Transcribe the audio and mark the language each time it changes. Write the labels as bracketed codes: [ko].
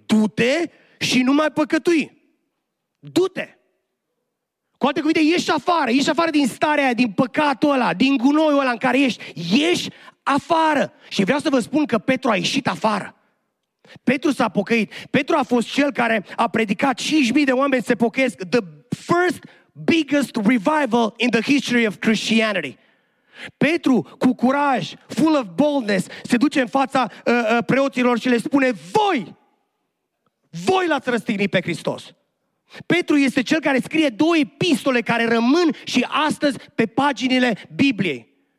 [ro] Du-te și nu mai păcătui! Du-te! Cu alte cuvinte, ieși afară, ieși afară din starea aia, din păcatul ăla, din gunoiul ăla în care ești. Ieși afară! Și vreau să vă spun că Petru a ieșit afară. Petru s-a pocăit. Petru a fost cel care a predicat 5.000 de oameni să se pocăiesc. [en] The first biggest revival in the history of Christianity. [ro] Petru, cu curaj, [en] full of boldness, [ro] se duce în fața preoților și le spune: Voi l-ați răstignit pe Hristos. Petru este cel care scrie două epistole care rămân și astăzi pe paginile Bibliei.